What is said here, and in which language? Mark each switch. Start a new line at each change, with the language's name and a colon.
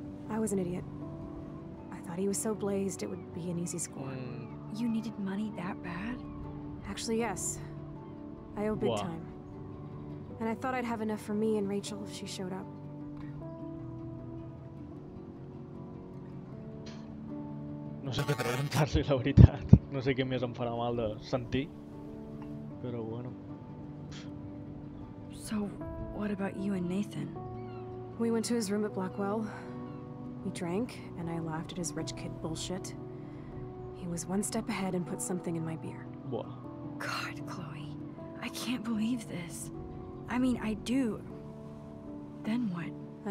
English: I was an idiot. I thought he was so blazed it would be an easy score. Mm. You needed money that bad? Actually, yes. I owe big time. And I thought I'd have enough for me and Rachel if she showed up.
Catalan: No sé què preguntar-li, la veritat. No sé què més em farà mal de sentir. Però bueno.
English: So, what about you and Nathan? We went to his room at Blackwell. We drank, and I laughed at his rich kid bullshit. He was one step ahead and put something in my beer. What? God, Chloe. I can't believe this. I mean, I do. Then what?